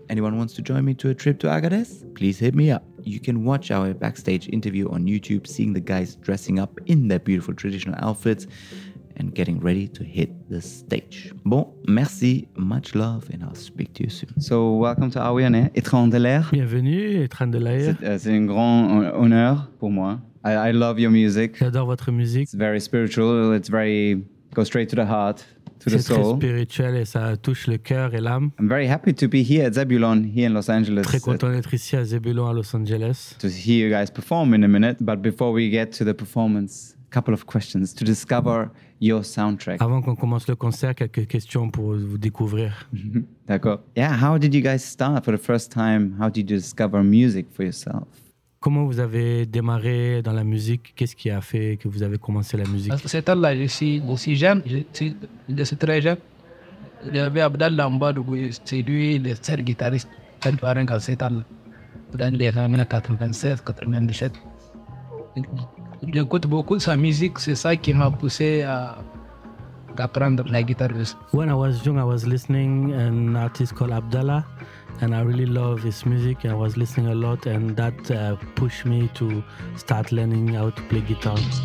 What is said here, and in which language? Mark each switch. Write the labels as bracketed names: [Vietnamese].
[English] Anyone wants to join me to a trip to Agadez? Please hit me up. You can watch our backstage interview on YouTube, seeing the guys dressing up in their beautiful traditional outfits and getting ready to hit the stage. [French] Bon, merci, [English] much love, and I'll speak to you soon. So, welcome to Are We On Air, Étrons de l'Air. [French] Bienvenue, Étrons de l'Air. C'est un grand honneur pour moi. [English] I love your music. [French] J'adore votre musique. [English] It's very spiritual, it's very, goes straight to the heart, to [French] c'est [English] the soul. [French] C'est très spirituel et ça touche le cœur et l'âme. [English] I'm very happy to be here at Zebulon, here in Los Angeles. [French] Très content d'être ici à Zebulon, à Los Angeles. [English] To hear you guys perform in a minute, but before we get to the performance, a couple of questions to discover your soundtrack. [French] Avant qu'on commence le concert, quelques questions pour vous découvrir. D'accord. [English] Yeah, how did you guys start for the first time? How did you discover music for yourself? [French] Comment vous avez démarré dans la musique? Qu'est-ce qui a fait que vous avez commencé la musique? C'est là, je suis aussi jeune, je suis très jeune. J'avais Abdallah Mbadou, c'est lui le seul guitariste que j'ai parrain dans cet âge. Dans les années 96-97. J'écoute beaucoup sa musique, c'est ça qui m'a poussé à apprendre la guitare. [English] When I was young, I was listening to an artist called Abdallah, and I really love his music. I was listening a lot, and that pushed me to start learning how to play guitar.